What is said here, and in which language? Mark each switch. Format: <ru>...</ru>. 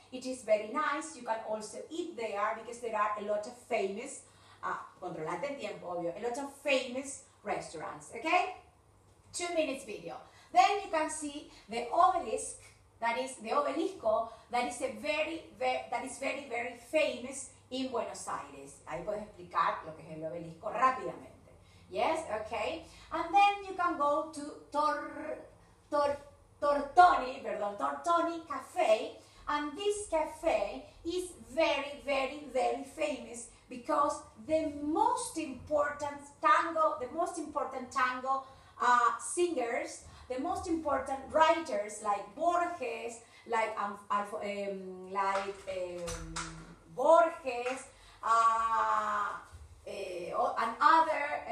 <en>It is very nice. You can also eat there, because there are a lot of famous,</en> <es>controlate el tiempo, obvio,</es> <en>a lot of famous restaurants, okay? 2 minutes video. Then you can see the obelisk, that is the obelisco, that is a very, very famous in Buenos Aires.</en> <es>Ahí puedes explicar lo que es el obelisco rápidamente.</es> <en>Yes, okay? And then you can go to Tortoni Cafe, and this cafe is very, very, very famous, because the most important tango singers, the most important writers like Borges, and other</en>